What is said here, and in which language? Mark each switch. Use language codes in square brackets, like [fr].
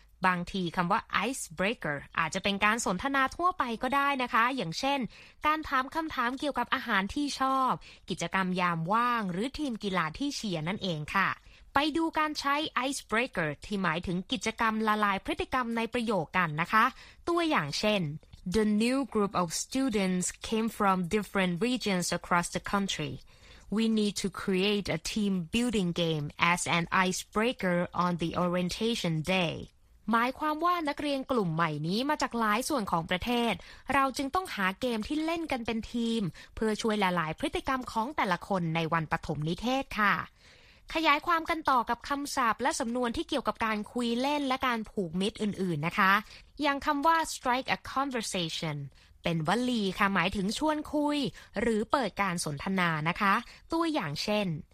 [th] บางทีคำว่า icebreaker อาจจะเป็นการสนทนาทั่วไปก็ได้นะคะอย่างเช่นการถามคำถามเกี่ยวกับอาหารที่ชอบกิจกรรมยามว่างหรือทีมกีฬาที่เชียร์นั่นเองค่ะไปดูการใช้ icebreaker ที่หมายถึงกิจกรรมละลายพฤติกรรมในประโยคกันนะคะตัวอย่างเช่น [en] The new group of students came from different regions across the country. We need to create a team building game as an icebreaker on the orientation day. [th] หมายความว่านักเรียนกลุ่มใหม่นี้มาจากหลายส่วนของประเทศเราจึงต้องหาเกมที่เล่นกันเป็นทีมเพื่อช่วยละลายพฤติกรรมของแต่ละคนในวันปฐมนิเทศค่ะ ขยายความกันต่อกับคำศัพท์และสำนวนที่เกี่ยวกับการคุยเล่นและการผูกมิตรอื่นๆนะคะอย่างคำว่า strike a conversation เป็นวลีค่ะหมายถึงชวนคุยหรือเปิดการสนทนานะคะตัวอย่างเช่น